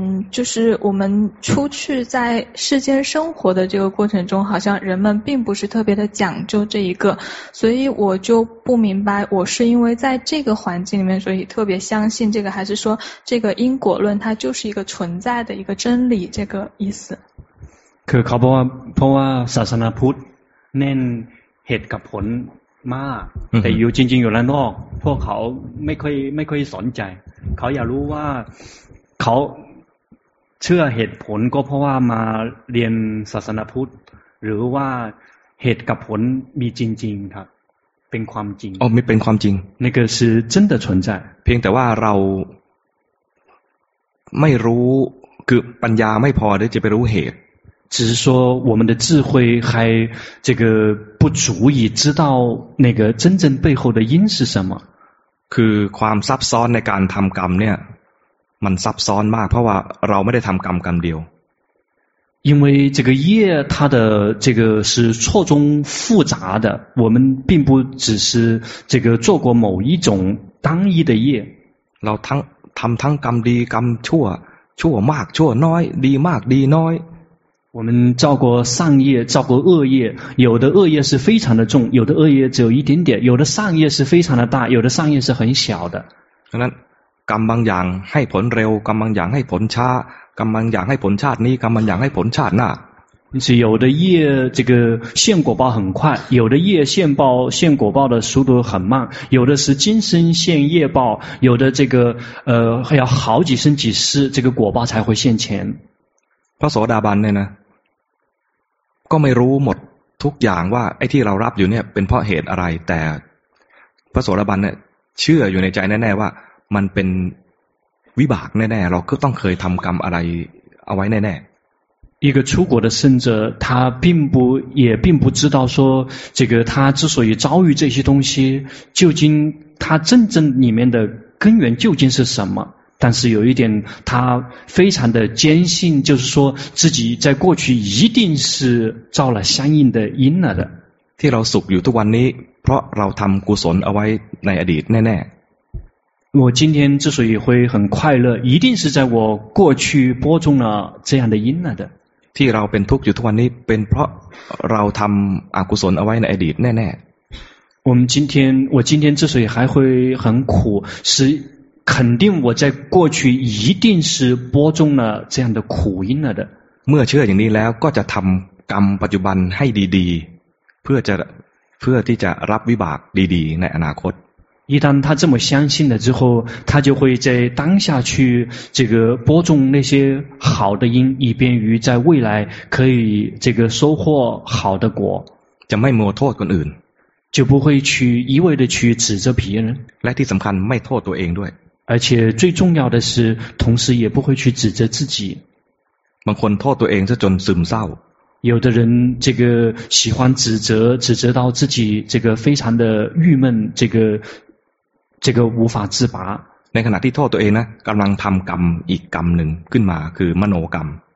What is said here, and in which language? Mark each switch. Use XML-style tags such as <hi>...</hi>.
<zh>就是我们出去在世间生活的这个过程中好像人们并不是特别的讲究这一个所以我就不明白我是因为在这个环境里面所以特别相信这个还是说这个因果论它就是一个存在的一个真理这个意思</zh> <th>คือเขาบอกว่าเพราะว่าศาสนาพุทธเน้นเหตุกับผลมากแต่อยู่จริงๆอยู่แล้วนอกพวกเขาไม่ค่อยสนใจเขาอยากรู้ว่าเขาเชื่อเหตุผลก็เพราะว่ามาเรียนศาสนาพุทธหรือว่าเหตุกับผลมีจริงๆครับเป็นความจริง อ๋อมีเป็นความจริง นั่นก็คือ</th> <zh>真的存在</zh> <th>เพียงแต่ว่าเราไม่รู้คือปัญญาไม่พอที่จะไปรู้เหตุ</th> <zh>只是说我们的智慧还这个不足以知道那个真正背后的因是什么</zh> <th>คือความซับซ้อนในการทำกรรมเนี่ยมันซับซ้อนมากเพราะว่าเราไม่ได้ทำกรรมกรรมเดียว</th> <zh>因为这个业它的这个是错综复杂的我们并不只是这个做过某一种单一的业</zh> <th>เราทั้งกรรมดีกรรมชั่วชั่วมากชั่วน้อยดีมากดีน้อย</th> <zh>我们造过善业造过恶业有的恶业是非常的重有的恶业只有一点点有的善业是非常的大有的善业是很小的</zh> <th>นั้นกรรมบางอย่างให้ผลเร็วกรรมบางอย่างให้ผลช้ากรรมบางอย่างให้ผลชาตินี้กรรมบางอย่างให้ผลชาติหน้า</th> <zh>是有的业这个现果报很快有的业现报现果报的速度很慢有的是今生现业报有的这个还要好几生几世这个果报才会现前</zh> <th>พระโสดาบันเนี่ยนะก็ไม่รู้หมดทุกอย่างว่าไอ้ที่เรารับอยู่เนี่ยเป็นเพราะเหตุอะไรแต่พระโสดาบันเนี่ยเชื่ออยู่ในใจแน่ๆว่ามันเป็นวิบากแน่ๆเราก็ต้องเคยทำกรรมอะไรเอาไว้แน่ๆ</th> <zh>一个出国的圣者他并不知道说这个他之所以遭遇这些东西究竟他真正里面的根源究竟是什么但是有一点他非常的坚信就是说自己在过去一定是造了相应的因了的</zh> <th>ที่เราสุขอยู่ทุกวันนี้เพราะเราทำกุศลเอาไว้ในอดีตแน่ๆ</th> <zh>我今天之所以会很快乐，一定是在我过去播种了这样的因了的。</zh> <th>ที่เราเป็นทุกข์อยู่ทุกวันนี้เป็นเพราะเราทำอกุศลเอาไว้ในอดีตแน่</th> <zh>ๆ我们今天我今天之所以还会很苦是肯定我在过去一定是播种了这样的苦因了的</zh> <th>เมื่อเชื่ออย่างนี้แล้วก็จะทำกรรมปัจจุบันให้ดีๆเพื่อที่จะรับวิบากดีๆในอนาคต</th> <zh>一旦他这么相信了之后他就会在当下去这个播种那些好的因以便于在未来可以这个收获好的果</zh> <th>จะไม่โทษคนอื่น</th> <zh>就不会去一味的去指责别人</zh> <th>และที่สำคัญไม่โทษตัวเองด้วย</th> <zh>而且最重要的是同时也不会去指责自己</zh> <th>บางคนโทษตัวเองจะจนซึมเศร้า</th> <zh>有的人这个喜欢指责指责到自己这个非常的郁闷这个无法自拔</zh> <th>ในขณะที่โทษตัวเองนะกำลังทำกรรมอีกกรรมหนึ่งขึ้นมาคือมโนกรรม</th>